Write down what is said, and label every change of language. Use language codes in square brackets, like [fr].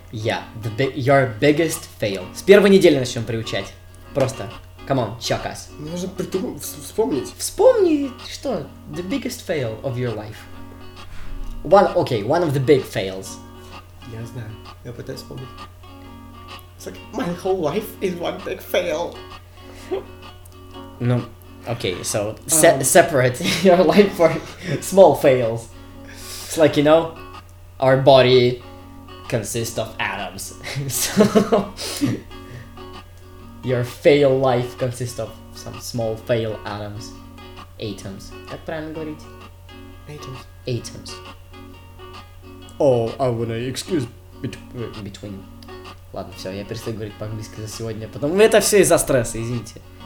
[en] Yeah, your biggest fail. [ru] С первой недели начнем приучать. Просто, [en] come on, chuck us. [ru] Нужно придумать, вспомнить. Вспомни, что? [en] The biggest fail of your life. One of the big fails. [ru] Я знаю, я пытаюсь вспомнить. [en] It's like, my whole life is one big fail. [ru] Ну, окей, [en] so, separate your life for small fails. It's like, you know, our body consists of atoms. So, your fail life consists of some small fail atoms. Atoms. [ru] Как правильно говорить? [en] Atoms. Atoms. Oh, I wanna excuse between. [ru] Ладно, все, я перестаю говорить по-английски за сегодня, потому что это все из-за стресса, извините.